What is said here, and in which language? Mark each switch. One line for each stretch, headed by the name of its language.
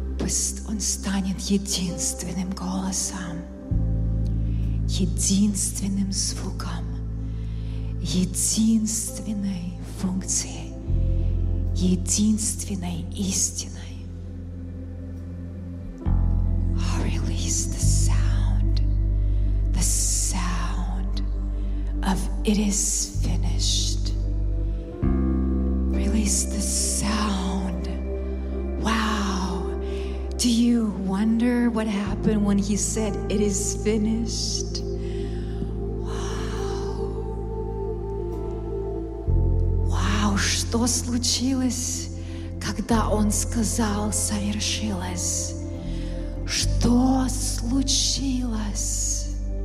Russian: Единственным голосом, единственным звуком, единственной функцией, единственной истиной.
English: I release the sound of it is finished. Release the sound. Wow, do you wonder what happened when he said it is finished?
Russian: Wow, что случилось, когда он сказал совершилось? Что случилось?